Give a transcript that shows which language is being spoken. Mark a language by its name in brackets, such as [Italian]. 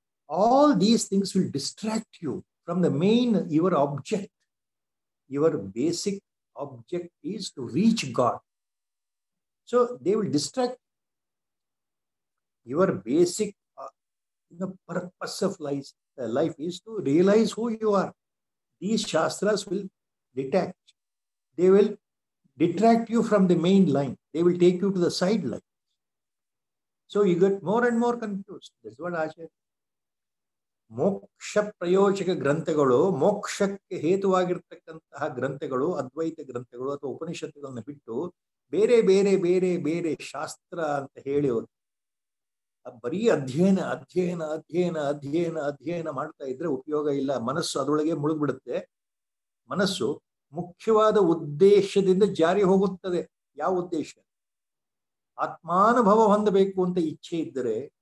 [English] all these things will distract you from the main your object your basic object is to reach God so they will distract Your basic purpose of life is to realize who you are. These shastras will detach. They will detract you from the main line. They will take you to the sideline. So you get more and more confused. That's what Acharya. [Kannada] Moksha prayojaka granthagalu, mokshakke hetuvagirthakkantaha granthagalu, advaita granthagalu, athava upanishattagalannu bittu, bere bere bere bere shastra anta heli ಬರೀ ಅಧ್ಯಯನ ಅಧ್ಯಯನ ಅಧ್ಯಯನ ಅಧ್ಯಯನ ಅಧ್ಯಯನ ಮಾಡ್ತಾ ಇದ್ರೆ ಉಪಯೋಗ ಇಲ್ಲ ಮನಸ್ಸು ಅದರೊಳಗೆ ಮುಳುಗ್ಬಿಡುತ್ತೆ ಮನಸ್ಸು ಮುಖ್ಯವಾದ ಉದ್ದೇಶದಿಂದ ಜಾರಿ ಹೋಗುತ್ತದೆ ಯಾವ ಉದ್ದೇಶ ಆತ್ಮಾನುಭವ ಹೊಂದಬೇಕು ಅಂತ ಇಚ್ಛೆ ಇದ್ದರೆ